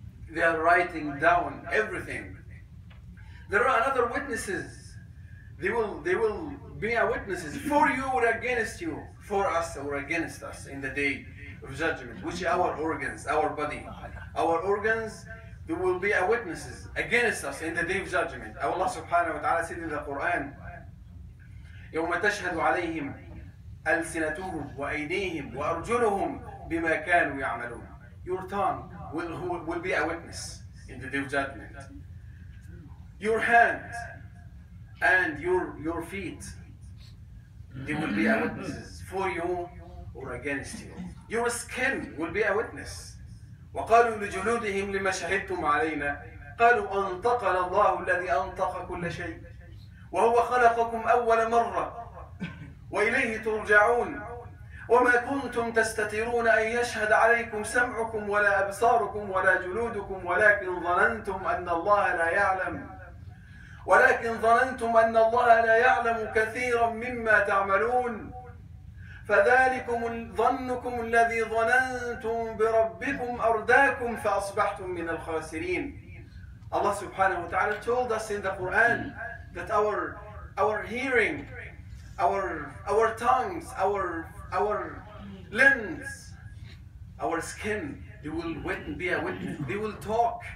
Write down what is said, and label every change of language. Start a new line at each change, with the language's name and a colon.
English: They are writing down everything. There are other witnesses. They will be a witnesses for you or against you, for us or against us in the day of judgment, which our organs, our body, our organs, they will be a witnesses against us in the day of judgment. Allah subhanahu wa ta'ala said in the Quran,
Arabic: يَوْمَ تَشْهَدُ عَلَيْهِمْ أَلْسِنَتُهُمْ وَأَيْدِيهِمْ وَأَرْجُلُهُمْ بِمَا كَانُوا يَعْمَلُونَ.
English: Your tongue will be a witness in the day of judgment. Your hand and your feet, they will be a witness for you or against you. Your skin will be a witness.
Arabic: وقالوا لجلودهم لما شهدتم علينا قالوا أنطقنا الله الذي أنطق كل شيء وهو خلقكم أول مرة وإليه ترجعون وما كنتم تستطيعون أن يشهد عليكم سمعكم ولا أبصاركم ولا جلودكم ولكن ظننتم أن الله لا يعلم ولكن ظننتم أن الله لا يعلم كثيرا مما تعملون فذلكم ظنكم الذي ظننتم بربكم أرداكم فأصبحتم من الخاسرين.
English: Allah subhanahu wa ta'ala told us in the Quran that our hearing, our tongues, our limbs, our skin, they will be a witness. They will talk.